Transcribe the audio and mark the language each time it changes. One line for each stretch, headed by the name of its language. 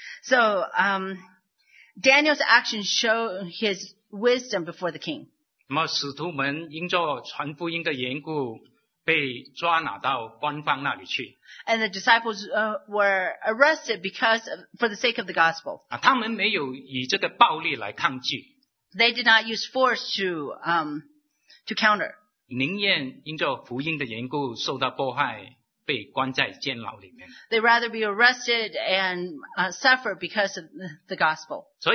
English: So, Daniel's actions show his wisdom before the king.
Chinese: 那么使徒们因着传福音的缘故被抓拿到官方那里去。
English: And the disciples were arrested because of, for the sake of the gospel.
Chinese: 他们没有以这个暴力来抗拒。
English: They did not use force to counter.
Chinese: 宁愿因着福音的缘故受到迫害被关在监牢里面。
English: They rather be arrested and suffer because of the gospel.